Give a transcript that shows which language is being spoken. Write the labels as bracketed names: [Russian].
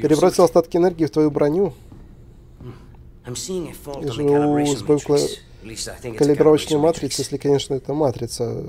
[Russian] перебросил [English] your [Russian] остатки энергии в твою броню. [English] I'm seeing a fault on the calibration matrix. [Russian] Калибровочную матрицу, если, конечно, это матрица.